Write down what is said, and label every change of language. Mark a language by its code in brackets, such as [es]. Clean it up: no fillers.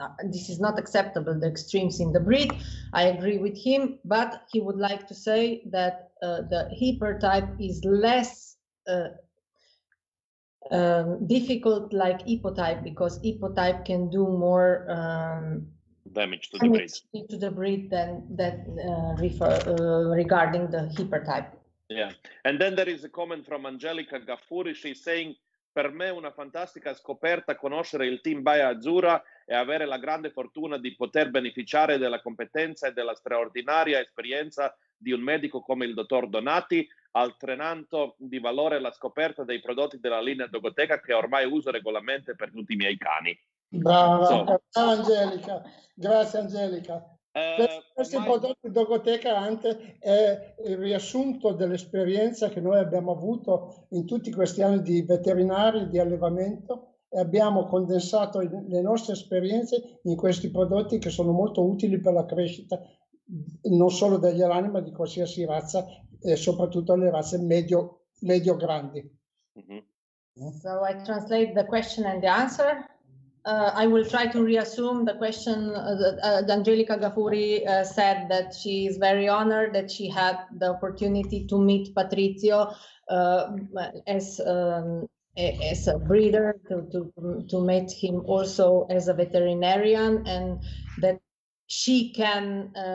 [en] This is not acceptable, the extremes in the breed. I agree with him, but he would like to say that the hypertype is less difficult like hypotype, because hypotype can do more damage to the breed than that regarding the hypertype. Yeah, and then there is a comment from Angelica Gaffuri. She's saying, [it] Per me è una fantastica scoperta conoscere il team Baia Azzurra e avere la grande fortuna di poter beneficiare della competenza e della straordinaria esperienza di un medico come il dottor Donati, altrettanto di valore la scoperta dei prodotti della linea Dogoteca che ormai uso regolarmente per tutti i miei cani. Brava, brava Angelica, grazie Angelica. Questi prodotti Dogoteca Ante è il riassunto dell'esperienza che noi abbiamo avuto in tutti questi anni di veterinari di allevamento e abbiamo condensato le nostre esperienze in questi prodotti che sono molto utili per la crescita non solo degli alani ma di qualsiasi razza e soprattutto le razze medio grandi. [en] So I translate the question and the answer. I will try to reassume the question. Angelica Gafuri said that she is very honored that she had the opportunity to meet Patrizio as a breeder, to meet him also as a veterinarian, and that she can